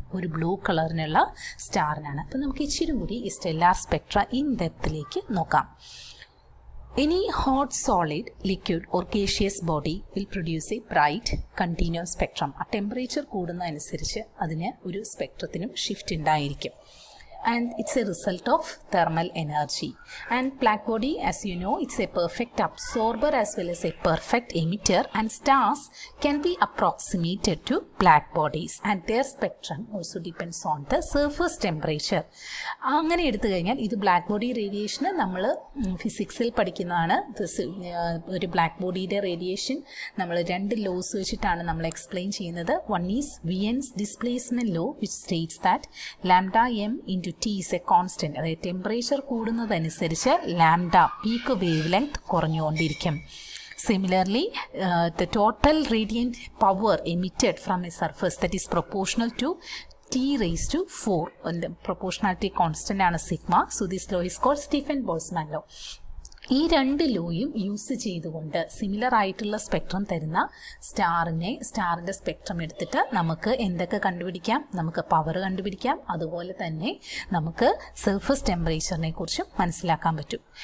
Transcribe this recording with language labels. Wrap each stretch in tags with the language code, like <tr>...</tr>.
<ml>ഒരു ബ്ലൂ കളറിനുള്ള സ്റ്റാറിനാണ്. അപ്പോൾ നമുക്ക് ഇച്ചിരി കൂടി ഈ സ്റ്റെല്ലാർ സ്പെക്ട്ര ഇൻ ഡെപ്ത്തിലേക്ക് നോക്കാം.</ml> <en>Any hot solid, liquid or gaseous body will produce a bright continuous spectrum.</en> <ml>A temperature കൂടുന്നതനുസരിച്ച് അതിന് ഒരു സ്പെക്ട്രത്തിനും ഷിഫ്റ്റ് ഉണ്ടായിരിക്കും.</ml> <en>And it's a result of thermal energy. And black body, as you know, it's a perfect absorber as well as a perfect emitter. And stars can be approximated to black bodies. And their spectrum also depends on the surface temperature.</en> <ml>അങ്ങനെ എടുത്തു കഴിഞ്ഞാൽ ഇത് black body radiation നമ്മൾ ഫിസിക്സിൽ പഠിക്കുന്നതാണ്. ഒരു black ബോഡിയുടെ radiation നമ്മൾ രണ്ട് ലോസ് വെച്ചിട്ടാണ് നമ്മൾ എക്സ്പ്ലെയിൻ ചെയ്യുന്നത്.</ml> <en>One is Wien's displacement law, which states that lambda M into T is a constant.</en> <ml>അതായത് temperature കൂടുന്നതനുസരിച്ച് lambda peak wave length കുറഞ്ഞുകൊണ്ടിരിക്കും.</ml> <en>Similarly, the total radiant power emitted from a surface that is proportional to T raised to 4. And the proportionality constant ആണ് sigma. So this law is called Stefan Boltzmann law.</en> <ml>ഈ രണ്ട് ലോയും use ചെയ്തുകൊണ്ട് similar ആയിട്ടുള്ള spectrum തരുന്ന സ്റ്റാറിനെ സ്റ്റാറിൻ്റെ spectrum എടുത്തിട്ട് നമുക്ക് എന്തൊക്കെ കണ്ടുപിടിക്കാം, നമുക്ക് പവർ കണ്ടുപിടിക്കാം, അതുപോലെ തന്നെ നമുക്ക് സർഫസ് ടെമ്പറേച്ചറിനെ കുറിച്ചും മനസ്സിലാക്കാൻ പറ്റും.</ml>